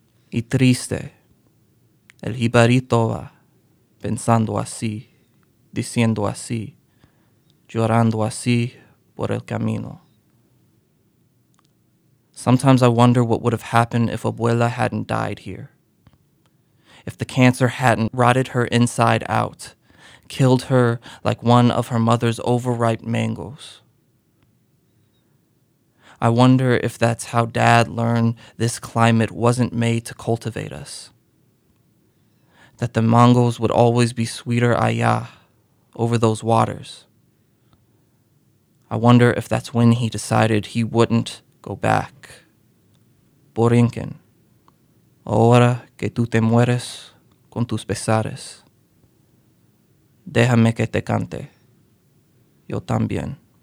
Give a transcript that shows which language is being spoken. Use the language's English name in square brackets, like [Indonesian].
[Spanish] Y triste, el jibarito va, pensando así, diciendo así, llorando así por el camino. [English] Sometimes I wonder what would have happened if Abuela hadn't died here. If the cancer hadn't rotted her inside out, killed her like one of her mother's overripe mangoes. I wonder if that's how Dad learned this climate wasn't made to cultivate us. That the mangoes would always be sweeter allá, over those waters. I wonder if that's when he decided he wouldn't go back. [Spanish] Borinquen. Ahora que tú te mueres con tus pesares, déjame que te cante, yo también.